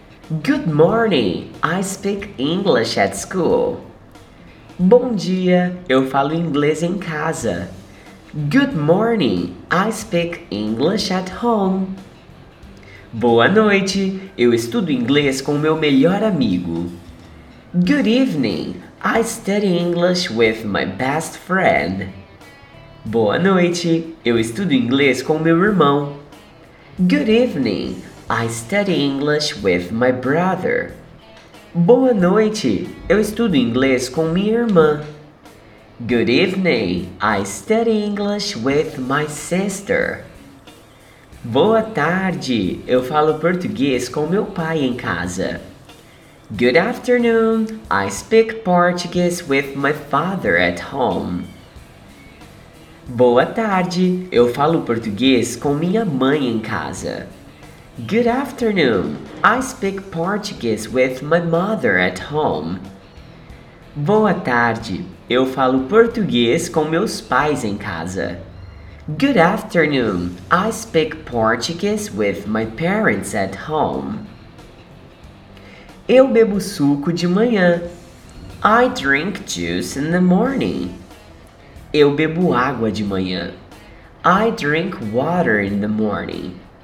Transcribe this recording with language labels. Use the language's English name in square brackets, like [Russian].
[English] Good morning, I speak English at school. [Portuguese] Bom dia, eu falo inglês em casa. [English] Good morning, I speak English at home. [Portuguese] Boa noite, eu estudo inglês com meu melhor amigo. [English] Good evening, I study English with my best friend. [Portuguese] Boa noite, eu estudo inglês com meu irmão. [English] Good evening, I study English with my brother. [Portuguese] Boa noite, eu estudo inglês com minha irmã. [English] Good evening, I study English with my sister. [Portuguese] Boa tarde, eu falo português com meu pai em casa. [English] Good afternoon, I speak Portuguese with my father at home. [Portuguese] Boa tarde, eu falo português com minha mãe em casa. [English] Good afternoon, I speak Portuguese with my mother at home. [Portuguese] Boa tarde, eu falo português com meus pais em casa. [English] Good afternoon, I speak Portuguese with my parents at home. [Portuguese] Eu bebo suco de manhã. [English] I drink juice in the morning. [Portuguese] Eu bebo água de manhã. [English] I drink water in the morning.